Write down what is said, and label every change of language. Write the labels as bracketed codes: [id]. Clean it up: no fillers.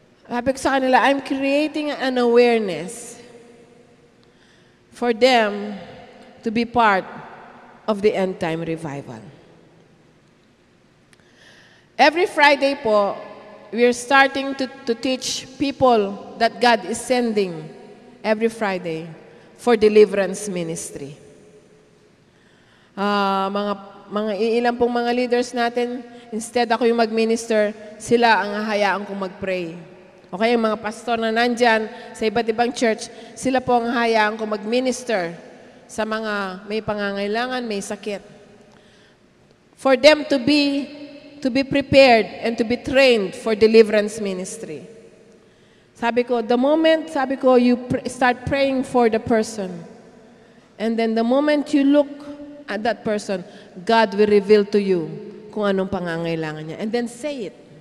[tl] Sabi ko sa kanila, [en] I'm creating an awareness for them to be part of the end time revival. Every Friday po, we are starting to teach people that God is sending every Friday for deliverance ministry. [tl] Mga ilang pong mga leaders natin, instead ako yung mag-minister, sila ang hahayaan kong mag-pray. Okay, yung mga pastor na nandyan sa iba't ibang church, sila po ang hahayaan kong mag-minister sa mga may pangangailangan, may sakit. [en] For them to be prepared and to be trained for deliverance ministry. Sabi ko, the moment, sabi ko, you start praying for the person, and then the moment you look at that person, God will reveal to you [tl] kung anong pangangailangan niya. [en] And then say it.